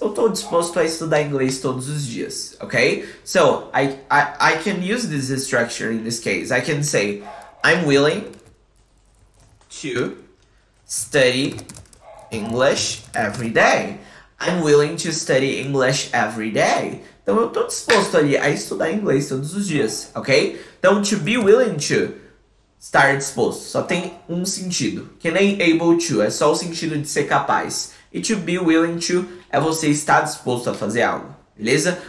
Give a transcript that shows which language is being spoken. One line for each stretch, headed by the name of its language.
Portuguese: Eu tô disposto a estudar inglês todos os dias.
English: Okay? So, I can use this structure in this case. I can say, I'm willing to study English every day. I'm willing to study English every day.
Portuguese: Então eu tô disposto ali a estudar inglês todos os dias, ok? Então
English: to be willing to,
Portuguese: estar disposto, só tem um sentido. Que nem able to, é só o sentido de ser capaz. E
English: to be willing to
Portuguese: é você estar disposto a fazer algo, beleza?